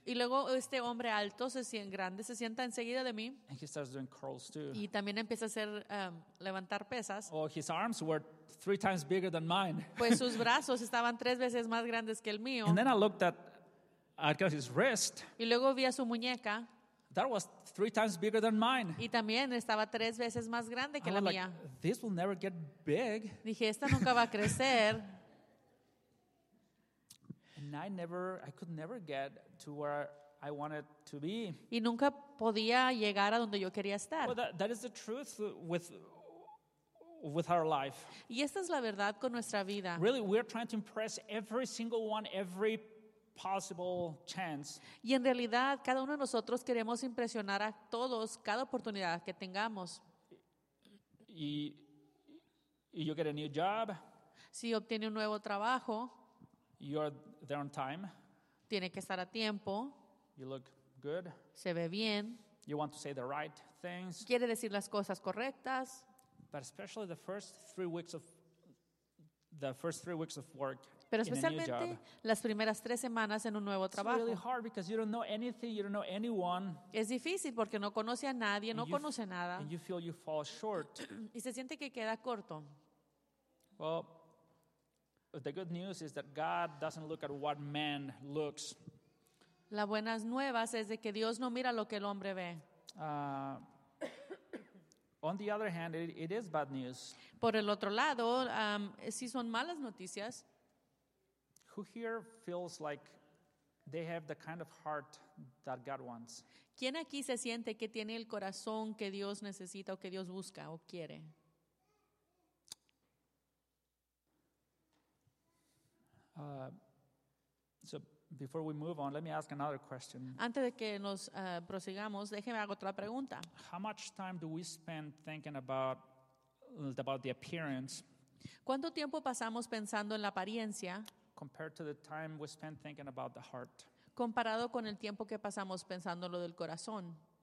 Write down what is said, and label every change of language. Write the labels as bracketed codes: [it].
[es] Y luego este hombre alto, grande, se sienta enseguida de mí. [en] And he starts doing curls too. [es] Y también empieza a hacer levantar pesas. [en] Oh, his arms were 3 times bigger than mine. [es] Pues sus brazos estaban 3 veces más grandes que el mío. [en] And then I looked at his wrist. [es] Y luego vi a su muñeca. [en] That was 3 times bigger than mine. [es] Y también estaba 3 veces más grande que la mía. [en] This will never get big. [es] Dije, esta nunca va a crecer. [en] And I could never get to where I wanted to be. [es] Y nunca podía llegar a donde yo quería estar. [en] Well, that is the truth with our life. [es] Y esta es la verdad con nuestra vida. [en] Really, we're trying to impress every single one, every possible chance. [es] Y en realidad, cada uno de nosotros queremos impresionar a todos cada oportunidad que tengamos. [en] Y you get a new job. [es] Si obtiene un nuevo trabajo. [en] You're there on time. [es] Tiene que estar a tiempo. [en] You look good. [es] Se ve bien. [en] You want to say the right things. [es] Quiere decir las cosas correctas. [en] But especially the first three weeks of work. [es] Pero especialmente las primeras 3 semanas en un nuevo trabajo. [en] It's really hard because you don't know anything, you don't know anyone. [es] Es difícil porque no conoce a nadie, no conoce nada. [en] And you feel you fall short. [es] Y se siente que queda corto. [en] Well, the good news is that God doesn't look at what man looks. [es] La buenas nuevas es de que Dios no mira lo que el hombre ve. [en] On the other hand, it is bad news. [es] Por el otro lado, sí son malas noticias. [en] Who here feels like they have the kind of heart that God wants? [es] ¿Quién aquí se siente que tiene el corazón que Dios necesita o que Dios busca o quiere? [en] So before we move on, let me ask another question. [es] Antes de que nos prosigamos, déjeme hago otra pregunta. [en] How much time do we spend thinking about the appearance? [es] ¿Cuánto tiempo pasamos pensando en la apariencia? [en] Compared to the time we spend thinking about the heart. [es] Comparado con el tiempo que pasamos pensando lo del corazón.